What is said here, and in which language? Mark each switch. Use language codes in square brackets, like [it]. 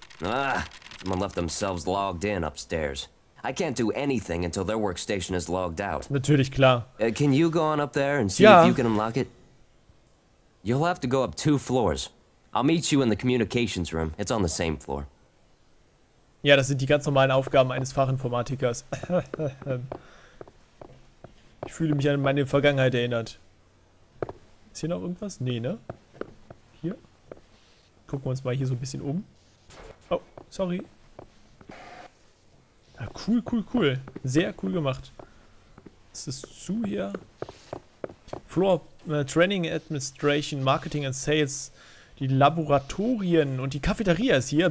[en] Ah, someone left themselves logged in upstairs. I can't do anything until their workstation is logged out. [de] Natürlich, klar. [en] Can you go on up there and see ja. if you can unlock it? You'll have to go up two floors. I'll meet you in the communications room. It's on the same floor. [de] Ja, das sind die ganz normalen Aufgaben eines Fachinformatikers. Ich fühle mich an meine Vergangenheit erinnert. Ist hier noch irgendwas? Nee, ne? Hier? Gucken wir uns mal hier so ein bisschen um. [en] Oh, sorry. [de] Ja, cool, cool, cool. Sehr cool gemacht. Ist das zu hier? [en] Floor Training Administration, Marketing and Sales. [de] Die Laboratorien und die Cafeteria ist hier.